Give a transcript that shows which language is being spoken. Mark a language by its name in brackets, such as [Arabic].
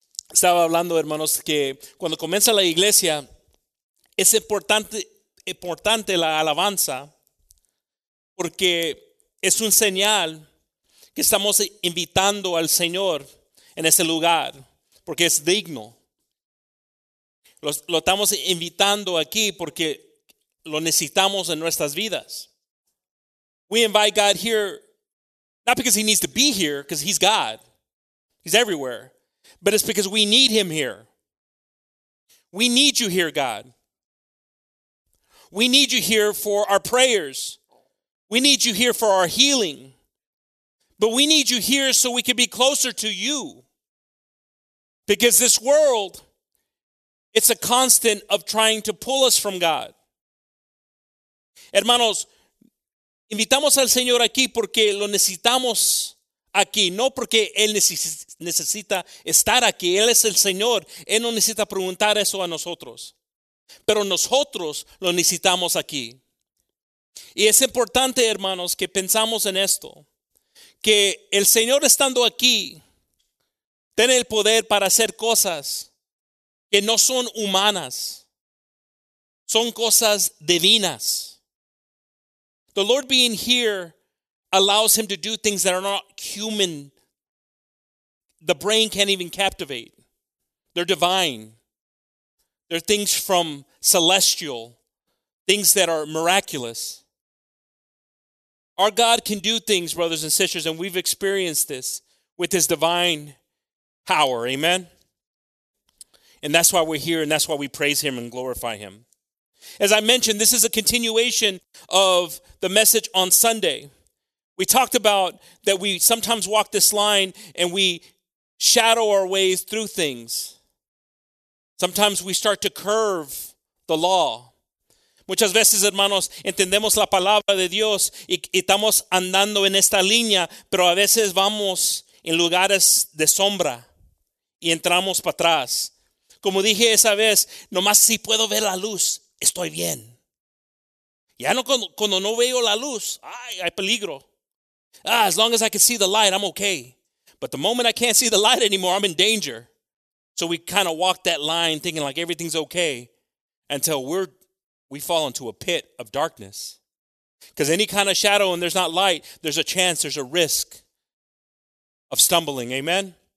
[Spanish] Estaba hablando, hermanos, que cuando comienza la iglesia, es importante la alabanza, porque es un señal que estamos invitando al Señor en ese lugar, porque es digno. Lo estamos invitando aquí porque lo necesitamos en nuestras vidas. [English] We invite God here, not because he needs to be here, because he's God. He's everywhere. But it's because we need him here. We need you here, God. We need you here for our prayers. We need you here for our healing. But we need you here so we can be closer to you. Because this world, it's a constant of trying to pull us from God. [Spanish] Hermanos, invitamos al Señor aquí porque lo necesitamos aquí, no porque Él necesita estar aquí. Él es el Señor. Él no necesita preguntar eso a nosotros. Pero nosotros lo necesitamos aquí. Y es importante, hermanos, que pensamos en esto. Que el Señor estando aquí, tiene el poder para hacer cosas que no son humanas. Son cosas divinas. [English] The Lord being here allows him to do things that are not human. The brain can't even captivate. They're divine. They're things from celestial, things that are miraculous. Our God can do things, brothers and sisters, and we've experienced this with his divine power. Amen? And that's why we're here, and that's why we praise him and glorify him. As I mentioned, this is a continuation of the message on Sunday. We talked about that we sometimes walk this line and we shadow our ways through things. Sometimes we start to curve the law. [Spanish] Muchas veces, hermanos, entendemos la palabra de Dios y estamos andando en esta línea, pero a veces vamos en lugares de sombra y entramos para atrás. Como dije esa vez, nomás si puedo ver la luz, estoy bien. Ya no cuando no veo la luz, ay, hay peligro. [English] Ah, as long as I can see the light, I'm okay. But the moment I can't see the light anymore, I'm in danger. So we kind of walk that line thinking like everything's okay until we fall into a pit of darkness. Because any kind of shadow and there's not light, there's a chance, there's a risk of stumbling. Amen?